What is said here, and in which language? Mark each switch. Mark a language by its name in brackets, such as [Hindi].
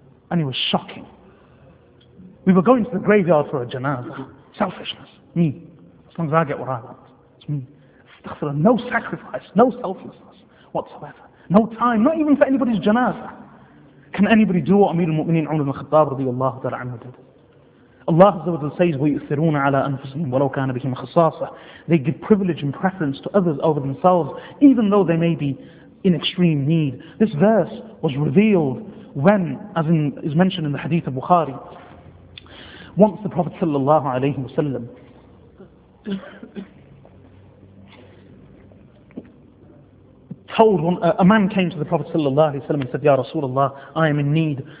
[English] And it was shocking. We were going to the graveyard for a janazah. Selfishness. Me. As long as I get what I want. It's me. No sacrifice. No selflessness whatsoever. No time. Not even for anybody's janazah. Can anybody do what Amir al-Mu'mineen Umar ibn al-Khattab radiyallahu ta'ala anhu did? Allah says, [Arabic] وَيُؤْثِرُونَ عَلَىٰ أَنفُسِهِمْ وَلَوْ كَانَ بِهِمْ خَصَاصَةٌ. [English] They give privilege and preference to others over themselves, even though they may be in extreme need. This verse was revealed when, as is mentioned in the hadith of Bukhari, once the Prophet sallallahu alayhi wasallam told a man came to the Prophet sallallahu alayhi wasallam and said, Ya Rasulullah, I am in need.